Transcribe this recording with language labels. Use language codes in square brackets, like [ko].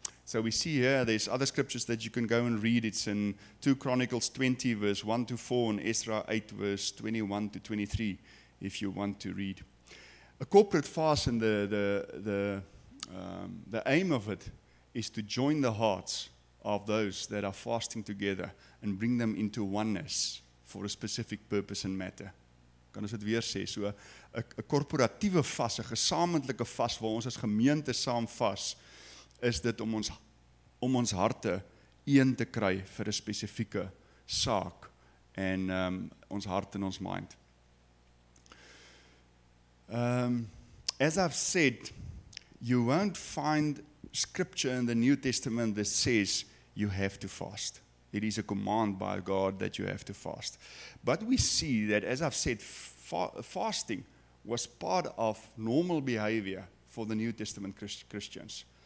[en] So we see here, there's other scriptures that you can go and read. It's in 2 Chronicles 20 verse 1 to 4 and Ezra 8 verse 21 to 23, if you want to read. A corporate fast and the aim of it is to join the hearts of those that are fasting together and bring them into oneness for a specific purpose and matter. [af] Kan ons dit weer sê? So, a korporatiewe vas, 'n gesamentlike vas waar ons as gemeente saam vas, is dit om ons harte een te kry vir 'n spesifieke saak en ons hart en ons mind. [en] As I've said, you won't find scripture in the New Testament that says you have to fast. It is a command by God that you have to fast. But we see that, as I've said, fasting was part of normal behavior for the New Testament Christians.